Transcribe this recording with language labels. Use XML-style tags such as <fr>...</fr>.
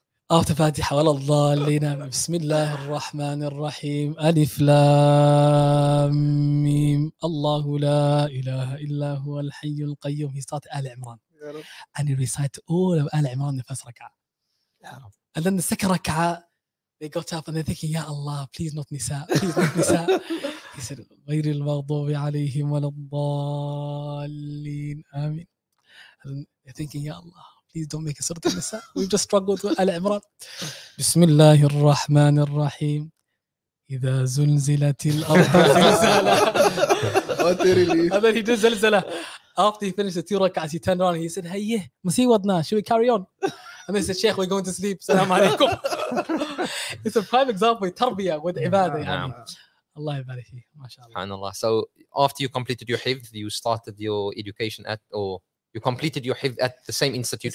<en>After Fatiha, Allah, Lina, Bismillah, Rahman, Rahim, Alif, Lam, Mim, Allahu La, Ilaha, Illa, Huwa, Al Hayy, Al Qayyum. He started Al Imran. And he recited all of Al Imran in the first rak'ah. And then the second rak'ah, they got up and they're thinking, Ya Allah, please not Nisa, please not Nisa. He said,</en> <ar>غير المغضوب عليهم ولا الضالين. Amin.</ar> <en>And you're thinking, Ya Allah, please don't make a surah al-Nisa. We've just struggled with Al-Imran.</en> <ar>بسم الله الرحمن الرحيم إذا زلزلت الأرض زلزالة.</ar> <en>What a relief. And then he did زلزالة. After he finished the two rak'ahs, he turned around and he said, هيه, مسيودنا, should we carry on? And they said, Sheikh, we're going to sleep. Salaam alaikum. It's a prime example of tarbiyah with ibadah. Allah ibarik fi, mashallah. SubhanAllah. So after you completed your hifz, you started your education at, or you completed your hifz at the same institute?</en>